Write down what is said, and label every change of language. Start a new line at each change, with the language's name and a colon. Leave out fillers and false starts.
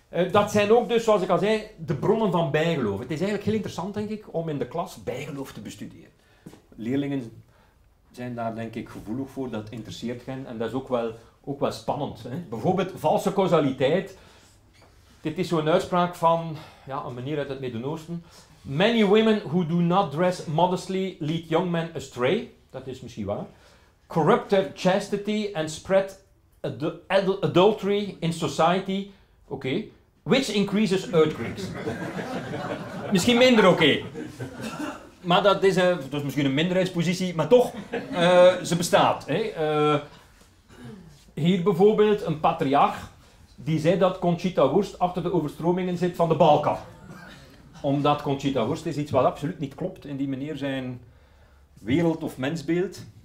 Dutch: Dat zijn ook dus, zoals ik al zei, de bronnen van bijgeloof. Het is eigenlijk heel interessant, denk ik, om in de klas bijgeloof te bestuderen. Leerlingen zijn daar, denk ik, gevoelig voor, dat interesseert hen. En dat is ook wel spannend. Hè? Bijvoorbeeld valse causaliteit. Dit is zo'n uitspraak van ja, een meneer uit het Midden-Oosten.
English: Many women who do not dress modestly lead young men astray.
Dutch: Dat is misschien waar.
English: Corrupt their chastity and spread adultery in society. Oké. Okay. Which increases earthquakes.
Dutch: Misschien minder oké. Okay. Maar dat is misschien een minderheidspositie, maar toch, ze bestaat. Hier bijvoorbeeld een patriarch. die zei dat Conchita Wurst achter de overstromingen zit van de Balkan. Omdat Conchita Wurst is iets wat absoluut niet klopt in die meneer zijn wereld- of mensbeeld.